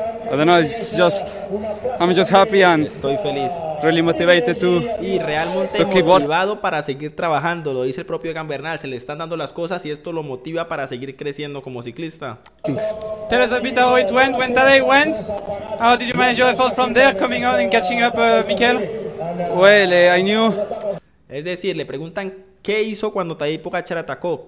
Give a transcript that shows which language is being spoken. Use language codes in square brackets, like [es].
[en] I don't know, it's just, I'm just happy and [es] estoy feliz. [en] Really motivated to, [es] y realmente [en] to keep [es] motivado on. Para seguir trabajando, lo dice el propio Egan Bernal, se le están dando las cosas y esto lo motiva para seguir creciendo como ciclista. [en] Tell us a bit how it went, when Tadej went, how did you manage your effort from there, coming on and catching up Mikel? Well, I knew. [es] Es decir, le preguntan, ¿qué hizo cuando Tadej Pogačar atacó?